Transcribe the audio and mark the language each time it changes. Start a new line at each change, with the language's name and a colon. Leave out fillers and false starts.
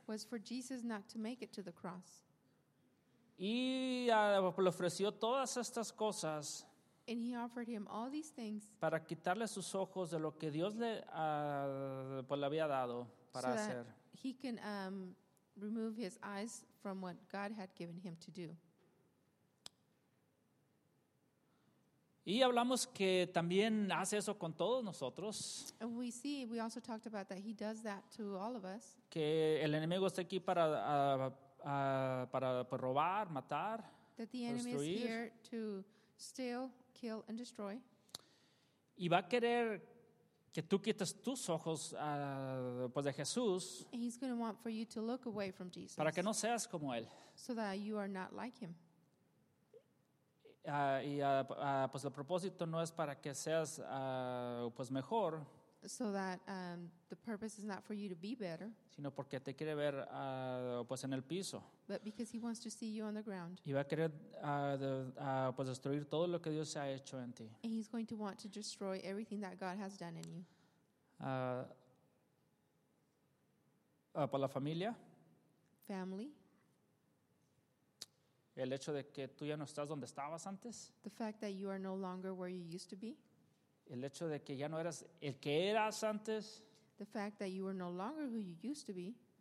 English: Was for Jesus not to make it to the cross.
Spanish: Y le ofreció todas estas cosas.
English: And he offered him all these things.
Spanish: Para quitarle sus ojos de lo que Dios le pues le había dado para
English: so
Spanish: hacer.
English: So that he can remove his eyes from what God had given him to do.
Spanish: Y hablamos que también hace eso con todos nosotros.
English: And we see, we also talked about that he does that to all of us.
Spanish: Que el enemigo está aquí para robar, matar, destruir.
English: That the enemy is here to steal, kill and destroy.
Spanish: Y va a querer que tú quites tus ojos pues de Jesús.
English: He's going to want for you to look away from Jesus.
Spanish: Para que no seas como él.
English: So that you are not like him.
Spanish: Pues el propósito no es para que seas pues mejor.
English: So that the purpose is not for you to be better.
Spanish: Sino porque te quiere ver pues en el piso.
English: But because he wants to see you on the ground.
Spanish: Y va a querer pues destruir todo lo que Dios ha hecho en ti.
English: And he's going to want to destroy everything that God has done in you.
Spanish: Por la familia.
English: Family.
Spanish: El hecho de que tú ya no estás donde estabas antes.
English: The fact that you are no longer where you used to be.
Spanish: El hecho de que ya no eras el que eras antes.
English: The fact that you are no longer who you used to be.